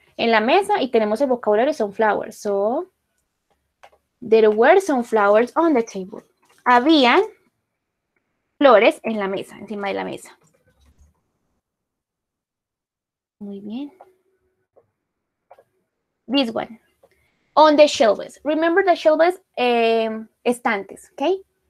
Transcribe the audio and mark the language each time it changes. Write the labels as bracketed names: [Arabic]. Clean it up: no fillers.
[Spanish] En la mesa y tenemos el vocabulario sunflowers. [English] So, there were some flowers on the table. [Spanish] Habían flores en la mesa, encima de la mesa. Muy bien. [English] This one. On the shelves. Remember the shelves, estantes, ¿ok?